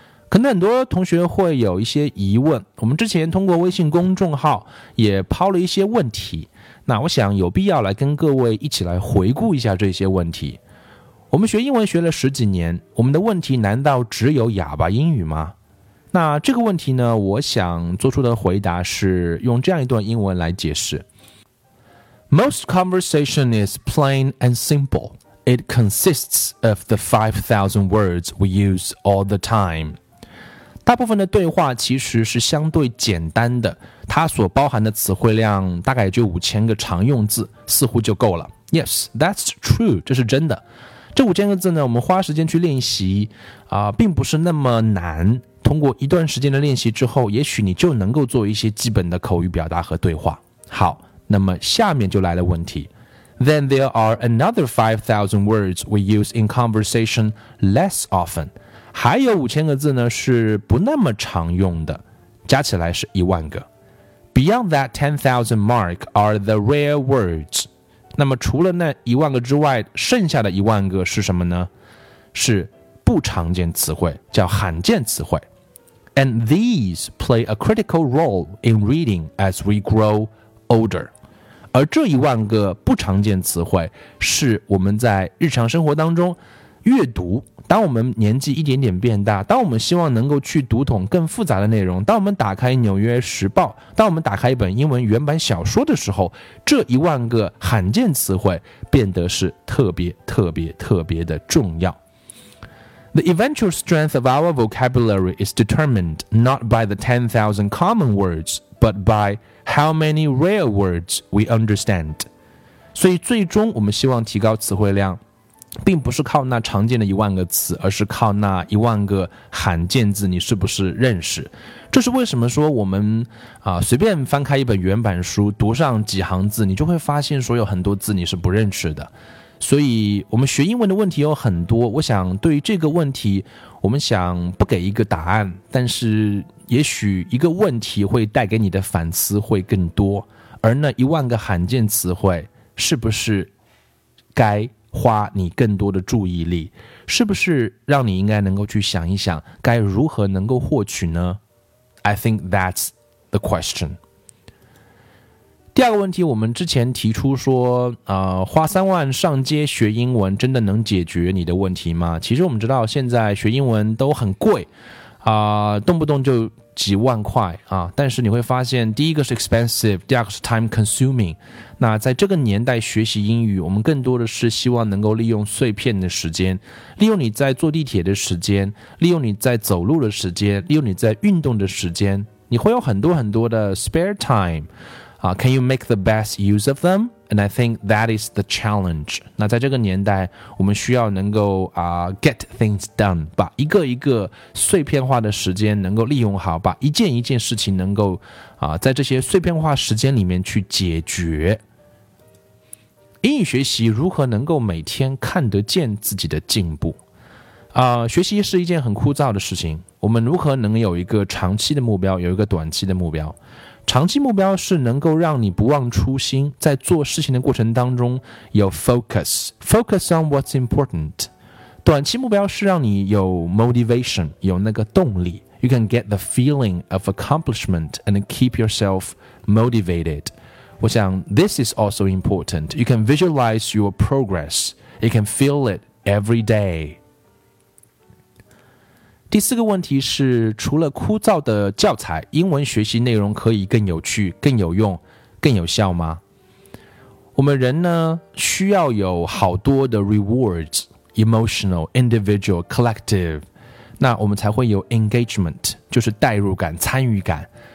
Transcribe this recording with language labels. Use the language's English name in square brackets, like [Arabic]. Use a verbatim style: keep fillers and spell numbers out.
[Chinese] 可能很多同学会有一些疑问，我们之前通过微信公众号也抛了一些问题，那我想有必要来跟各位一起来回顾一下这些问题。我们学英文学了十几年，我们的问题难道只有哑巴英语吗？那这个问题呢，我想做出的回答是用这样一段英文来解释。 [English] Most conversation is plain and simple. It consists of the five thousand words we use all the time. [Chinese] 大部分的对话其实是相对简单的，它所包含的词汇量大概就五千个常用字，似乎就够了。 [English] Yes, that's true. [Chinese] 这是真的。这五千个字呢，我们花时间去练习、呃、并不是那么难。通过一段时间的练习之后，也许你就能够做一些基本的口语表达和对话。好，那么下面就来了问题。 [English] Then there are another five thousand words we use in conversation less often. [Chinese] 还有五千个字呢，是不那么常用的，加起来是一万个。 [English] Beyond that ten thousand mark are the rare words. [Chinese] 那么除了那一万个之外，剩下的一万个是什么呢？是不常见词汇，叫罕见词汇。 [English] And these play a critical role in reading as we grow older. [Chinese] 而这一万个不常见词汇是我们在日常生活当中阅读，当我们年纪一点点变大，当我们希望能够去读懂更复杂的内容，当我们打开纽约时报，当我们打开一本英文原版小说的时候，这一万个罕见词汇变得是特别特别特别的重要。 [English] The eventual strength of our vocabulary is determined not by the ten thousand common words, but by how many rare words we understand. [Chinese] 所以最终我们希望提高词汇量，并不是靠那常见的一万个词，而是靠那一万个罕见字你是不是认识。这是为什么说我们、啊、随便翻开一本原版书，读上几行字，你就会发现说有很多字你是不认识的。所以我们学英文的问题有很多，我想对于这个问题，我们想不给一个答案，但是也许一个问题会带给你的反思会更多。而那一万个罕见词汇，是不是该花你更多的注意力？是不是让你应该能够去想一想，该如何能够获取呢？ [English] I think that's the question. [Chinese] 第二个问题，我们之前提出说，呃，花三万上街学英文真的能解决你的问题吗？其实我们知道现在学英文都很贵，啊、呃，动不动就几万块啊。但是你会发现，第一个是 expensive， 第二个是 [English] time consuming。 [Chinese] 那在这个年代学习英语，我们更多的是希望能够利用碎片的时间，利用你在坐地铁的时间，利用你在走路的时间，利用你在运动的时间，你会有很多很多的 [English] spare time。 uh, Can you make the best use of them? And I think that is the challenge. [Chinese] 那在这个年代，我们需要能够啊、uh, [English] get things done， [Chinese] 把一个一个碎片化的时间能够利用好，把一件一件事情能够啊、uh, 在这些碎片化时间里面去解决。英语学习如何能够每天看得见自己的进步？啊、uh, ，学习是一件很枯燥的事情。我们如何能有一个长期的目标，有一个短期的目标？长期目标是能够让你不忘初心，在做事情的过程当中有 focus， [English] focus on what's important。 [Chinese] 短期目标是让你有 motivation， 有那个动力。 [English] You can get the feeling of accomplishment and keep yourself motivated。 [Chinese] 我想 [English] this is also important. You can visualize your progress. You can feel it every day. [Chinese] 第四个问题是，除了枯燥的教材，英文学习内容可以更有趣、更有用、更有效吗？我们人呢，需要有好多的 rewards， [English] emotional、individual、collective， [Chinese] 那我们才会有 engagement， 就是代入感、参与感。